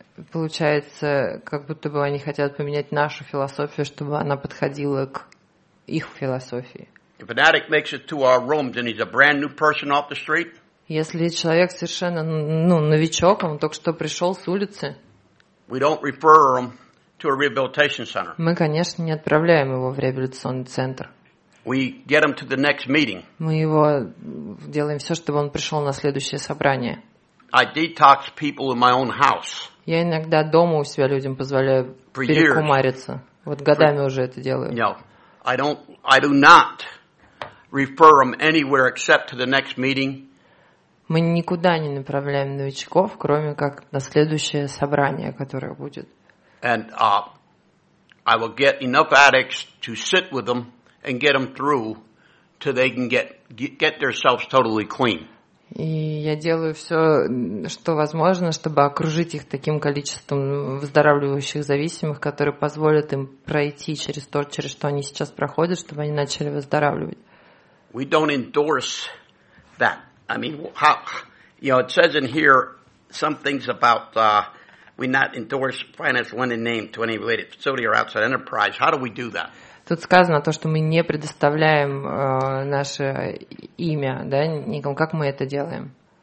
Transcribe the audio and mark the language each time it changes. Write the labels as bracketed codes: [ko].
[ru] Получается, как будто бы они хотят поменять нашу философию, чтобы она подходила к их философии. [en] If an addict makes it to our rooms and he's a brand new person off the street, [ru] если человек совершенно, новичок, он только что пришел с улицы, [en] we don't refer him to a rehabilitation center. [ru] Мы, конечно, не отправляем его в реабилитационный центр. [en] We get him to the next meeting. [ru] Мы его делаем все, чтобы он пришел на следующее собрание. [en] I detox people in my own house. [ru] Я иногда дома у себя людям позволяю перекумариться. Вот годами уже это делаю. [en] No. I do not refer them anywhere except to the next meeting. [ru] Мы никуда не направляем новичков, кроме как на следующее собрание, которое будет. [en] And I will get enough addicts to sit with them and get them through till they can get themselves totally clean. [ru] И я делаю все, что возможно, чтобы окружить их таким количеством выздоравливающих зависимых, которые позволят им пройти через то, через что они сейчас проходят, чтобы они начали выздоравливать. [en] We don't endorse that. I mean, how, you know, it says in here some things about we not endorse finance lending name to any related facility or outside enterprise. How do we do that? [ru] Тут сказано то, что мы не предоставляем наше имя, да, никому. Как мы это делаем?